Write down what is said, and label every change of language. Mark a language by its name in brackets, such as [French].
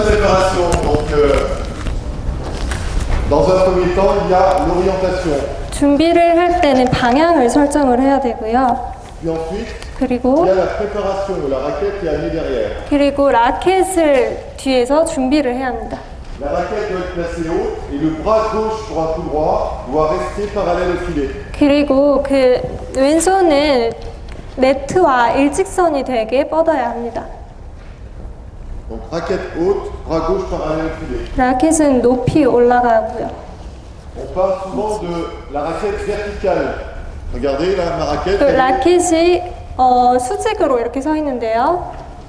[French] Préparation donc dans un premier temps, il y a l'orientation. [Korean] 준비를 할 때는 방향을 설정을 해야 되고요. [French] Et ensuite, [Korean] 그리고 [French] la préparation, la raquette est à mi derrière. [Korean] 그리고 라켓을 뒤에서 준비를 해야 합니다. [French] La raquette doit être placée haute et le bras gauche pour un coup droit doit rester parallèle au filet. [Korean] 그리고 그 왼손은 네트와 일직선이 되게 뻗어야 합니다. [French] Donc raquette haute, bras gauche parallèle au filet. [Korean] 라켓은 높이 올라가고요. [French] On parle souvent de la raquette verticale. Regardez là, ma raquette. [Korean] 그 라켓이 수직으로 이렇게 서 있는데요.